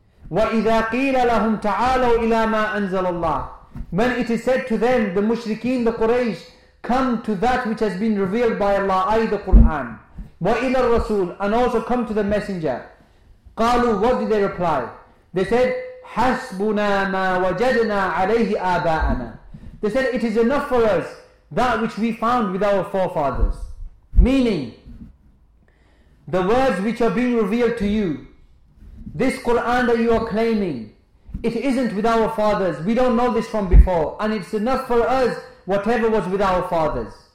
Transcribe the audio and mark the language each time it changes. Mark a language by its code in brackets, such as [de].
[ar] وَإِذَا قِيلَ لَهُمْ تَعَالَوْا إِلَى مَا أَنزَلَ اللَّهُ. [en] When it is said to them, the mushrikeen, the Quraysh, come to that which has been revealed by Allah, i.e. the Qur'an. [ar] وَإِلَى الرَّسُولِ, [en] and also come to the messenger. [ar] قَالُوا, [en] what did they reply? They said, [ar] حَسْبُنَا مَا وَجَدْنَا عَلَيْهِ آبَاءَنَا. [en] They said, it is enough for us, that which we found with our forefathers. Meaning, the words which are being revealed to you, this Qur'an that you are claiming, it isn't with our fathers. We don't know this from before. And it's enough for us whatever was with our fathers.